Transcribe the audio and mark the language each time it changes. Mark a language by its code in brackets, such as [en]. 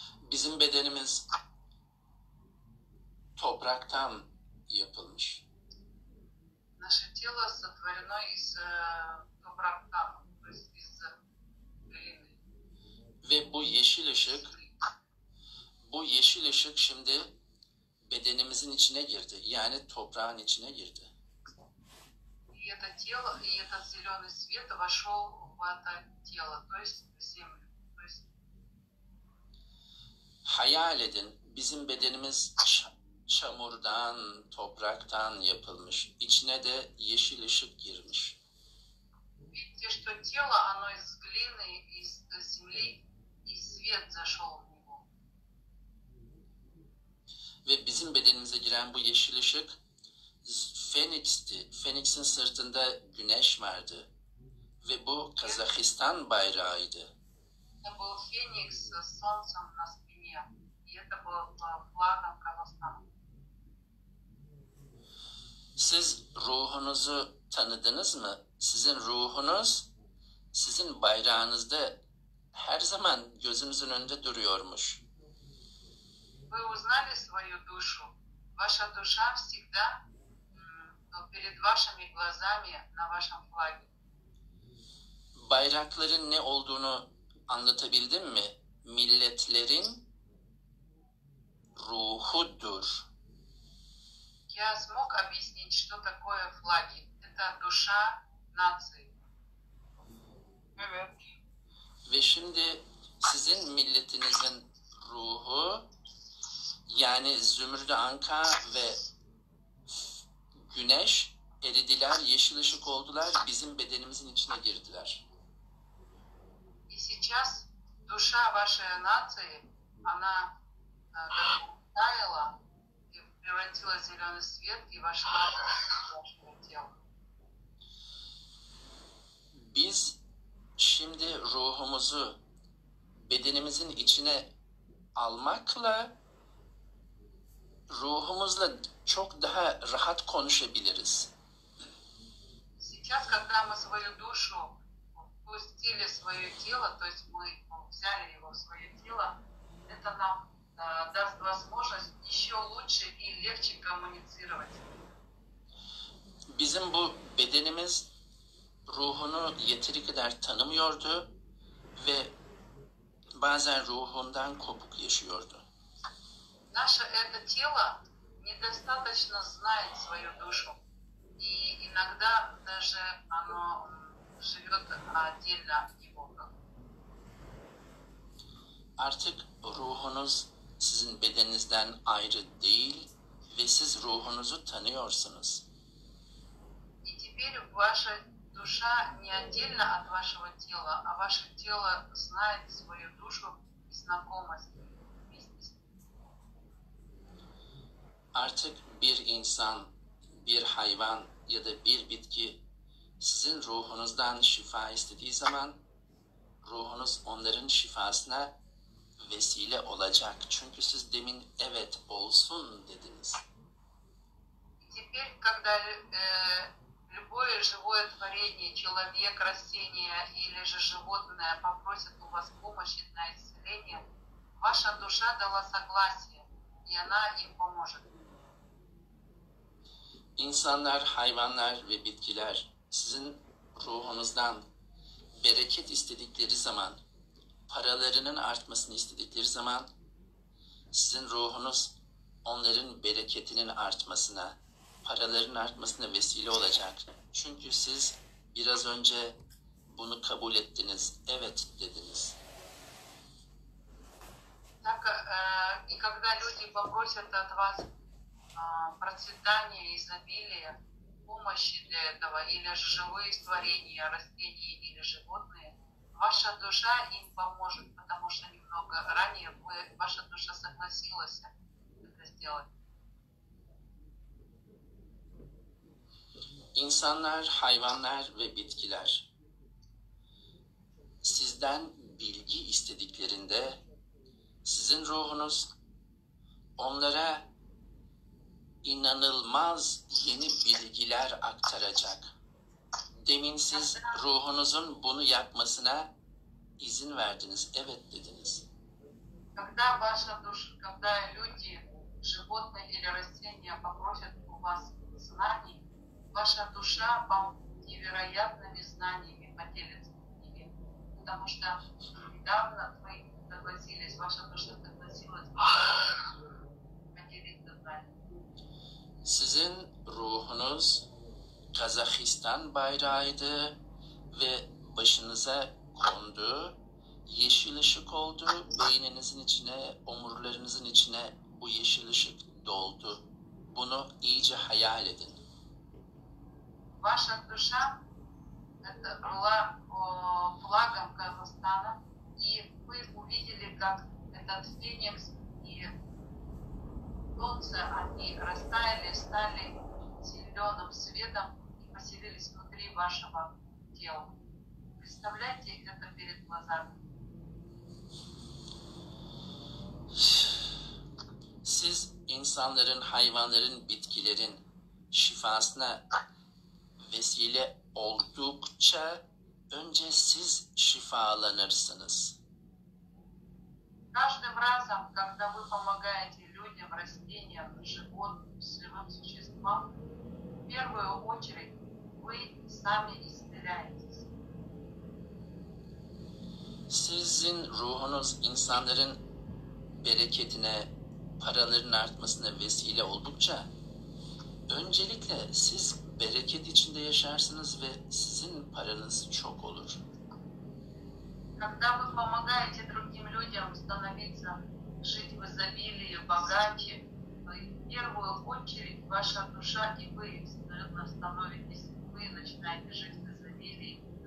[tr] Bizim bedenimiz topraktan yapılmış. [ru] Наше тело сотворено из топрака, то есть из глины. [tr] Ve bu yeşil ışık, bu yeşil ışık şimdi bedenimizin içine girdi. Yani toprağın içine girdi. [ru] И это тело, и этот зелёный свет вошёл в это тело, то есть в землю. [tr] Hayal edin, bizim bedenimiz çamurdan, topraktan yapılmış. İçine de yeşil ışık girmiş. [ru] Видите, что тело, оно из глины, из земли, и свет зашел в него. [tr] Ve bizim bedenimize giren bu yeşil ışık, Feniks'ti. Feniks'in sırtında güneş vardı. Ve bu Kazakistan bayrağıydı. [ru] Это был Феникс с солнцем на спине. И это было флагом Казахстана. [tr] Siz ruhunuzu tanıdınız mı? Sizin ruhunuz, sizin bayrağınızda her zaman gözünüzün önünde duruyormuş. [ru] Вы узнали свою душу. Ваша душа всегда перед вашими глазами на вашем флаге. [tr] Bayrakların ne olduğunu anlatabildim mi? Milletlerin ruhudur. [ru] Я смог объяснить, что такое флаги. Это душа нации. [tr] Ve şimdi sizin milletinizin ruhu, yani Zümrüt-i Anka ve Güneş eridiler, yeşil ışık oldular, bizim bedenimizin içine girdiler. [ru] И сейчас душа вашей нации, она растаяла. Превратила зеленый свет и вошла в ваше тело. [tr] Biz şimdi ruhumuzu bedenimizin içine almakla ruhumuzla çok daha rahat konuşabiliriz. [ru] Сейчас, когда мы свою душу впустили в свое тело, то есть мы взяли его в свое тело, это нам даст возможность еще лучше и легче коммуницировать. [tr] Bizim bu bedenimiz ruhunu yeteri kadar tanımıyordu ve bazen ruhundan kopuk yaşıyordu. [ru] Наше это тело недостаточно знает свою душу. И иногда даже оно живет отдельно от него. [tr] Artık ruhunuz sizin bedeninizden ayrı değil ve siz ruhunuzu tanıyorsunuz. [ru] И теперь ваша душа не отдельно от вашего тела, а ваше тело знает свою душу и знакомо с ней. [tr] Artık bir insan, bir hayvan ya da bir bitki sizin ruhunuzdan şifa istediği zaman ruhunuz onların şifasına vesile olacak. Çünkü siz demin evet olsun dediniz. [ru] Теперь, когда любое живое творение, человек, растение или же животное попросит у вас помощи на исцеление, ваша душа дала согласие, и она им поможет. [tr] İnsanlar, hayvanlar ve bitkiler sizin ruhunuzdan bereket istedikleri zaman, paralarının artmasını istedikleri zaman sizin ruhunuz onların bereketinin artmasına, paraların artmasına vesile olacak. Çünkü siz biraz önce bunu kabul ettiniz, evet dediniz. [ru] Так, и когда люди попросят от вас процветания, изобилия, помощи для этого, или же живые творения, растения или животные, ваша душа им поможет, потому что немного ранее вы, ваша душа согласилась это сделать. [tr] İnsanlar, hayvanlar ve bitkiler sizden bilgi istediklerinde sizin ruhunuz onlara inanılmaz yeni bilgiler aktaracak. Demin siz ruhunuzun bunu yapmasına izin verdiniz, evet dediniz. [ru] Когда ваша душа, когда люди, животные или растения попросят у вас знаний, ваша душа вам невероятными знаниями поделится с ними. Потому что недавно вы согласились, ваша душа согласилась поделиться знаниями. [tr] Sizin ruhunuz Kazakistan bayrağıydı ve başınıza kondu, yeşil ışık oldu, beyninizin içine, omurlarınızın içine bu yeşil ışık doldu. Bunu iyice hayal edin. [ru] Ваша душа была флагом Казахстана, и вы увидели, как этот феникс и солнце, они растаяли, стали зеленым светом и поселились внутри вашего тела. Представляете это перед глазами? [tr] Siz insanların, hayvanların, bitkilerin şifasına vesile oldukça önce siz şifalanırsınız. [ru] Каждым разом, когда вы помогаете людям, растениям, животным, живым существам, в первую очередь вы сами исцеляетесь. [tr] Sizin ruhunuz insanların bereketine, paraların artmasına vesile oldukça öncelikle siz bereket içinde yaşarsınız ve sizin paranız çok olur. [ru] Когда вы помогаете другим людям становиться, жить в изобилии, богаче, в первую очередь ваша душа и вы становитесь, вы начинаете жить в изобилии.